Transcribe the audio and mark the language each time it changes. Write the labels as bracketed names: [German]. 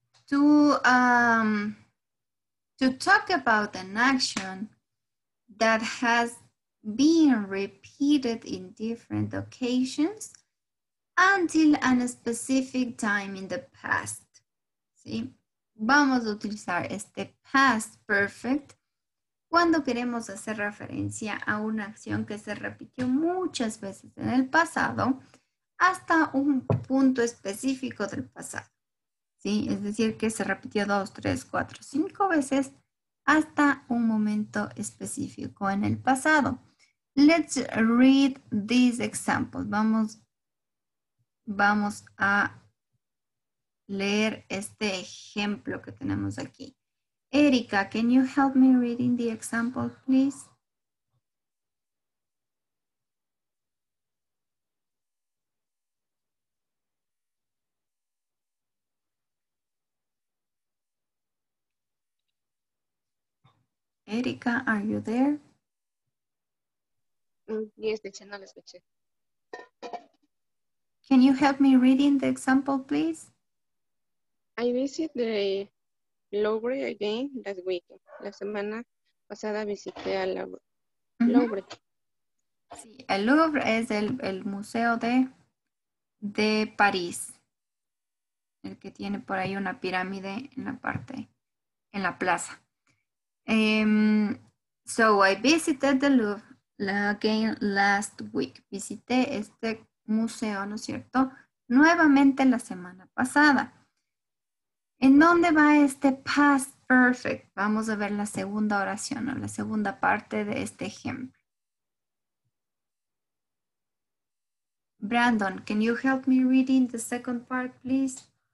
[English] To talk about an action that has been repeated in different occasions until a specific time in the past. [Spanish] ¿Sí? Vamos a utilizar este past perfect cuando queremos hacer referencia a una acción que se repitió muchas veces en el pasado hasta un punto específico del pasado. ¿Sí? Es decir, que se repitió 2, 3, 4, 5 veces hasta un momento específico en el pasado. [English] Let's read these examples. [Spanish] Vamos a leer este ejemplo que tenemos aquí. [English] Erika, can you help me reading the example, please? Erika, are you there? Yes, teacher, [Spanish] no la escuché. [English] Can you help me reading the example, please? I visit the Louvre again last week. [Spanish] La semana pasada visité al Louvre. Sí, el Louvre es el museo de París. El que tiene por ahí una pirámide en la parte, en la plaza. [English] So I visited the Louvre again last week. [Spanish] Visité este museo, ¿no es cierto? Nuevamente la semana pasada. ¿En dónde va este past perfect? Vamos a ver la segunda oración o la segunda parte de este ejemplo. [English] Brandon, can you help me reading the second part, please?